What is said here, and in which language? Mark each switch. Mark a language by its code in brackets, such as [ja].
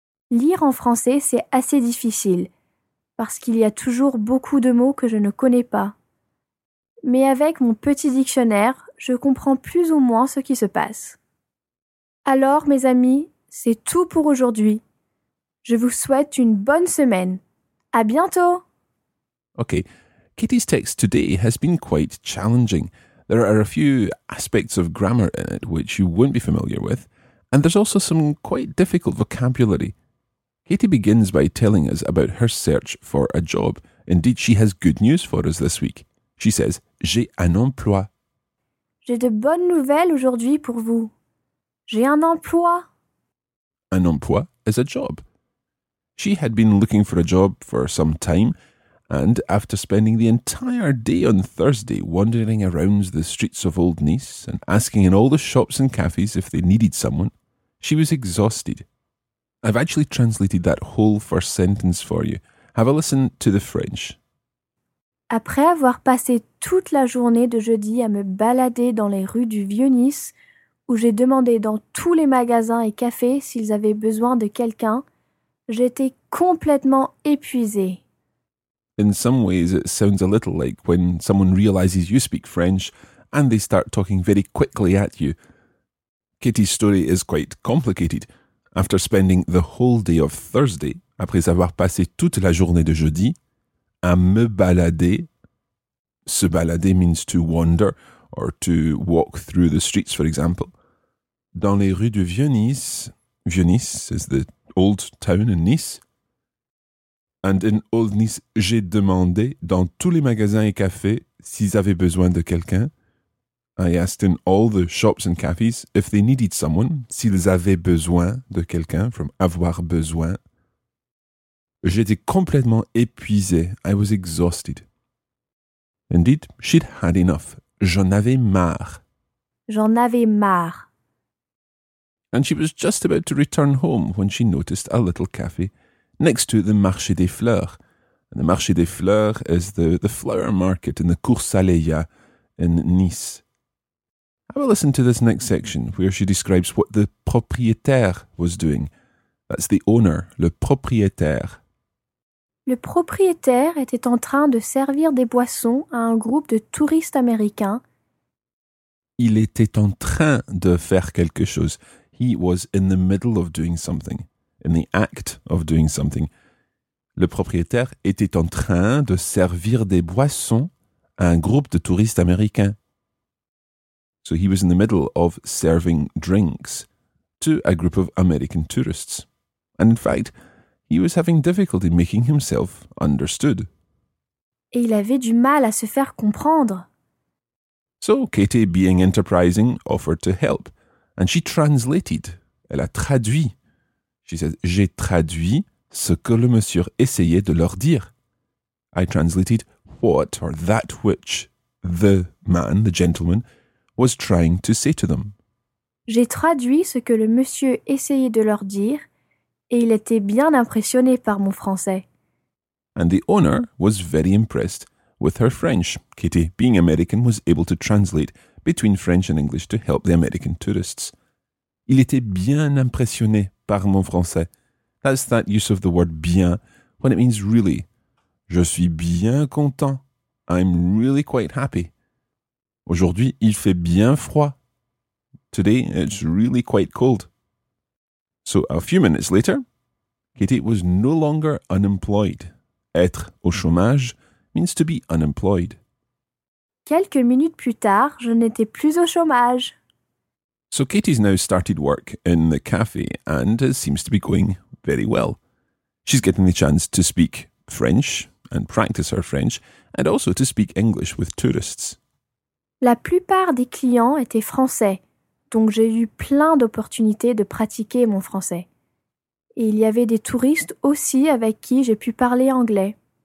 [fr] Lire en français, c'est assez difficile, parce qu'il y a toujours beaucoup de mots que je ne connais pas. Mais avec mon petit dictionnaire, je comprends plus ou moins ce qui se passe. Alors, mes amis, c'est tout pour aujourd'hui. Je vous souhaite une bonne semaine. À bientôt! [en] Okay, Katie's text today has been quite challenging. There are a few aspects of grammar in it which you won't be familiar with, and there's also some quite difficult vocabulary. Katie begins by telling us about her search for a job. Indeed, she has good news for us this week. She says, [fr] j'ai un emploi. J'ai de bonnes nouvelles aujourd'hui pour vous. J'ai un emploi. [en] Un emploi is a job. She had been looking for a job for some time, and after spending the entire day on Thursday wandering around the streets of Old Nice and asking in all the shops and cafes if they needed someone, she was exhausted. I've actually translated that whole first sentence for you. Have a listen to the French. [fr] Après avoir passé toute la journée de jeudi à me balader dans les rues du Vieux-Nice, où j'ai demandé dans tous les magasins et cafés s'ils avaient besoin de quelqu'un, j'étais complètement épuisée. [en] In some ways, it sounds a little like when someone realizes you speak French and they start talking very quickly at you. Katie's story is quite complicated. After spending the whole day of Thursday, [fr] après avoir passé toute la journée de jeudi, à me balader. [en] Se balader means to wander or to walk through the streets, for example. [fr] Dans les rues de Vieux-Nice. [en] Vieux-Nice is the old town in Nice. And in Old Nice, [fr] j'ai demandé dans tous les magasins et cafés s'ils avaient besoin de quelqu'un. [en] I asked in all the shops and cafes if they needed someone, [fr] s'ils avaient besoin de quelqu'un, [en] from avoir besoin. [fr] J'étais complètement épuisé. [en] I was exhausted. Indeed, she'd had enough. [fr] J'en avais marre. J'en avais marre. [en] And she was just about to return home when she noticed a little cafe next to the Marché des Fleurs. And the Marché des Fleurs is the flower market in the Cours Saleya in Nice. I will listen to this next section where she describes what the propriétaire was doing. That's the owner, le propriétaire. [fr] Le propriétaire était en train de servir des boissons à un groupe de touristes américains. Il était en train de faire quelque chose. [en] He was in the middle of doing something. In the act of doing something. [fr] Le propriétaire était en train de servir des boissons à un groupe de touristes américains. [en] So he was in the middle of serving drinks to a group of American tourists. And in fact, he was having difficulty making himself understood. [fr] Et il avait du mal à se faire comprendre. [en] So Katie, being enterprising, offered to help. And she translated. [fr] Elle a traduit. [en] She said, [fr] j'ai traduit ce que le monsieur essayait de leur dire. [en] I translated what or that which the man, the gentleman, was trying to say to them. [fr] J'ai traduit ce que le monsieur essayait de leur dire et il était bien impressionné par mon français. [en] And the owner was very impressed with her French. Katie, being American, was able to translate between French and English to help the American tourists. [fr] Il était bien impressionné par mon français. [en] That's that use of the word bien when it means really. [fr] Je suis bien content. [en] I'm really quite happy. [fr] Aujourd'hui, il fait bien froid. [en] Today, it's really quite cold. So, a few minutes later, Katie was no longer unemployed. [fr] Être au chômage [en] means to be unemployed. [fr] Quelques minutes plus tard, je n'étais plus au chômage. [en] So Katie's now started work in the cafe and it seems to be going very well. She's getting the chance to speak French and practice her French and also to speak English with tourists. [fr] La plupart des clients étaient français, donc j'ai eu plein d'opportunités de pratiquer mon français. Et il y avait des touristes aussi avec qui j'ai pu parler anglais.